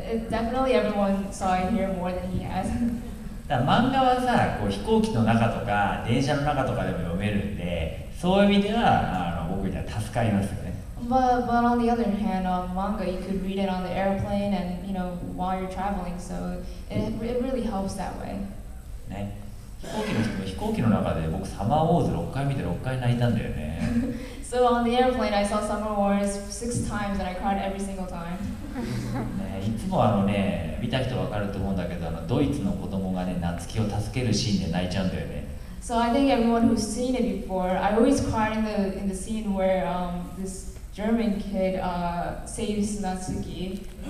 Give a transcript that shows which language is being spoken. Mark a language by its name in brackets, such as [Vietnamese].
[English] Definitely everyone saw it here more than he has. [Japanese] だ漫画はさ、こう飛行機の中とか電車の中とかでも読めるんで、そういう意味では僕には助かりますよね。 [English] But on the other hand, manga you could read it on the airplane and you know while you're traveling, so it really helps that way. [Japanese] ね、飛行機の中で僕サマーウォーズ6回見て6回泣いたんだよね。 [English] So on the airplane, I saw Summer Wars 6 times and I cried every single time. [Japanese] ね、いつも見た人わかると思うんだけど、ドイツの子供がね、夏希を助けるシーンで泣いちゃうんだよね。 [English] So I think everyone who's seen it before, I always cried in the scene where this German kid saves Natsuki.